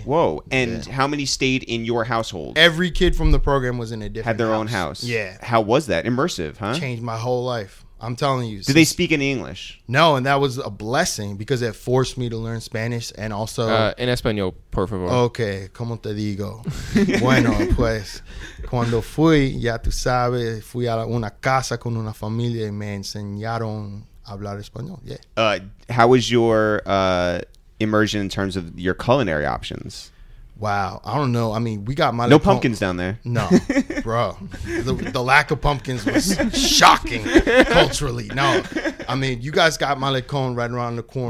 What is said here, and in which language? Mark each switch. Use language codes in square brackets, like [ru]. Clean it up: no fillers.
[en] Whoa. And how many stayed in your household? Every kid from the program was in a different house. Had their own house. Yeah. How was that? Immersive, huh? Changed my whole life. I'm telling you. Did they speak any English? No, and that was a blessing because it forced me to learn Spanish and also... [es] En español, por favor. Okay, ¿cómo te digo? Bueno, pues, cuando fui, ya tú sabes, fui a una casa con una familia y me enseñaron... Hablar español, yeah. [en] How was your immersion in terms of your culinary options? Wow, I don't know. I mean, we got no pumpkins down there. No, bro. The lack of pumpkins was shocking culturally. No, I mean, you guys got Malecón right around the corner.